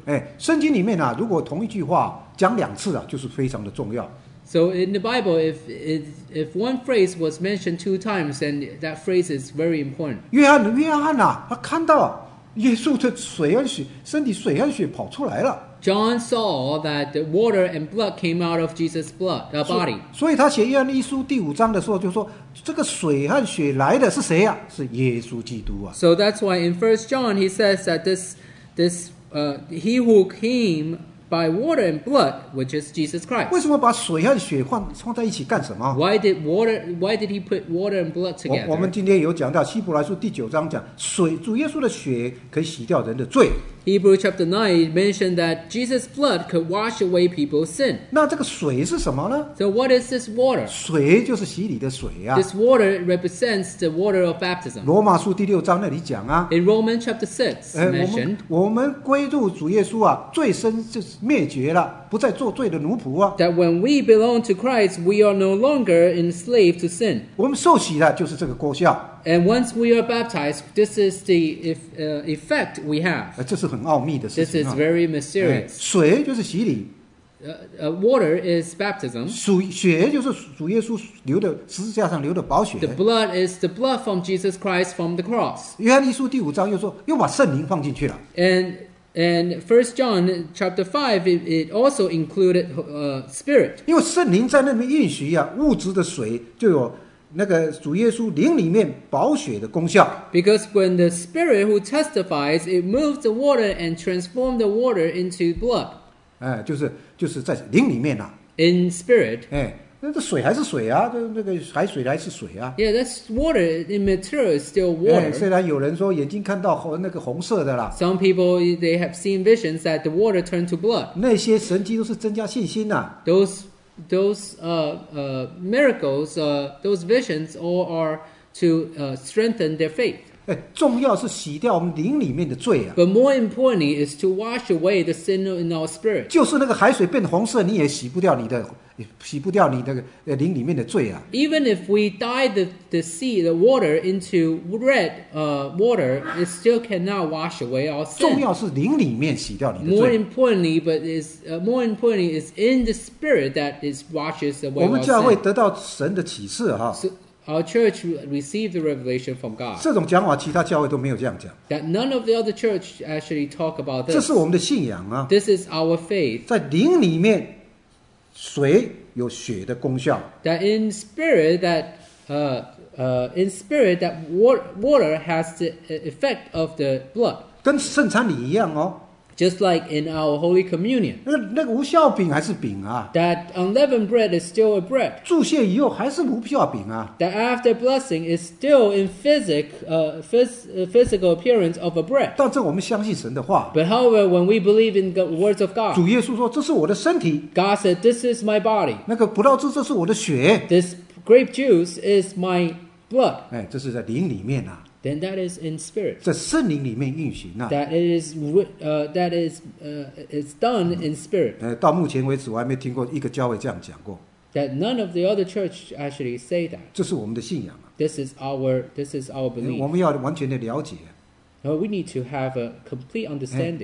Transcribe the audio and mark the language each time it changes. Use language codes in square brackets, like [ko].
[zh] 哎，圣经里面啊，如果同一句话讲两次啊，就是非常的重要。 [en] So in the Bible, if one phrase was mentioned two times, then that phrase is very important. [zh] 约翰啊，他看到。耶稣的水和血，身体水和血跑出来了。 [en] John saw that the water and blood came out of Jesus' blood, the body. [zh] 所以他写约翰一书第五章的时候就说，这个水和血来的是谁呀？是耶稣基督啊。 [en] So that's why in 1 John he says that this he who came by water and blood, which is Jesus Christ. [zh] 为什么把水和血放在一起干什么？ [en] Why did he put water and blood together? [zh] 我们今天有讲到希伯来书第九章讲水，主耶稣的血可以洗掉人的罪。 [en] Hebrew chapter 9 mentioned that Jesus' blood could wash away people's sin. [zh] 那这个水是什么呢？ [en] So what is this water? [zh] 水就是洗礼的水啊。 [en] This water represents the water of baptism. [zh] 罗马书第六章那里讲啊。 [en] In Romans chapter 6 mentioned. [zh] 我们归入主耶稣啊，罪身就是灭绝了，不再做罪的奴仆啊。 [en] That when we belong to Christ, we are no longer enslaved to sin. [zh] 我们受洗的就是这个功效。 [en] And once we are baptized, this is the effect we have. [zh] 这是很奥秘的事情啊。 [en] This is very mysterious. [zh] 水就是洗礼。 [en] Water is baptism. [zh] 血就是主耶稣流的十字架上流的宝血。 [en] The blood is the blood from Jesus Christ from the cross. [zh] 约翰一书第五章又说，又把圣灵放进去了。 [en] And 1 John chapter 5, it also included spirit. [zh] 因为圣灵在那边应许啊，物质的水就有那个主耶稣灵里面宝血的功效。 [en] Because when the spirit who testifies, it moves the water and transforms the water into blood. [zh] 就是在灵里面啊。 [en] In spirit. [zh] 哎，那这水还是水啊，那个海水还是水啊。 [en] Yeah, that's water. In material, it's still water. [zh] 虽然有人说眼睛看到那个红色的啦。 [en] Some people, they have seen visions that the water turned to blood. [zh] 那些神迹都是增加信心啊。 [en] Those visions all are to strengthen their faith. [zh] 重要是洗掉我们灵里面的罪啊。 [en] But more importantly is to wash away the sin in our spirit. [zh] 就是那个海水变红色，你也洗不掉你的，洗不掉你的灵里面的罪啊。 [en] Even if we dye the sea, the water into red, water, it still cannot wash away our sin. [zh] 重要是灵里面洗掉你的罪。 [en] More importantly is in the spirit that it washes away our sin. [zh] 我们教会得到神的启示啊。 [en] Our church received the revelation from God. [zh] 这种讲法其他教会都没有这样讲。 [en] That none of the other church actually talk about this. [zh] 这是我们的信仰啊。 [en] This is our faith. [zh] 在灵里面，水有血的功效。 [en] That in spirit, that water has the effect of the blood. [zh] 跟圣餐礼一样哦。 [en] Just like in our Holy Communion. [zh] 那个无酵饼还是饼啊。 [en] That unleavened bread is still a bread. [zh] 注谢以后还是无酵饼啊。 [en] That after blessing is still in physical appearance of a bread. [zh] 但这我们相信神的话。 [en] But however, when we believe in the words of God. [zh] 主耶稣说，这是我的身体。 [en] God said, this is my body. [zh] 那个葡萄汁，这是我的血。 [en] This grape juice is my blood. [zh] 哎，这是在灵里面啊。 [en] Then that is in spirit. [zh] 在圣灵里面运行啊。 [en] That is done in spirit. [zh] 到目前为止，我还没听过一个教会这样讲过。 [en] That none of the other church actually say that. [zh] 这是我们的信仰啊。 [en] This is our belief. [zh] 我们要完全的了解。 [en] We need to have a complete understanding.